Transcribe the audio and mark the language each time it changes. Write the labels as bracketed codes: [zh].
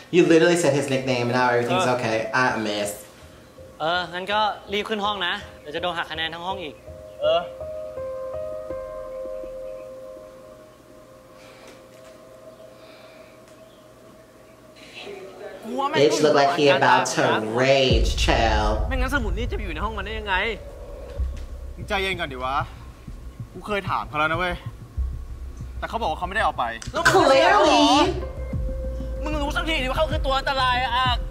[en] You literally said his nickname and now everything's okay. I miss. [th] งั้นก็รีบขึ้นห้องนะ เดี๋ยวจะโดนหักคะแนนทั้งห้องอีก [en] Bitch look like he about to rage, child. [th] ไม่งั้นสมุดนี่จะอยู่ในห้องมันได้ยังไง มึงใจเย็นก่อนดิวะ กูเคยถามเขาแล้วนะเว้ย แต่เขาบอกว่าเขาไม่ได้ออกไป [en] Clearly [th] มึงรู้สักทีดิว่าเขาคือตัวอันตรายอ่ะ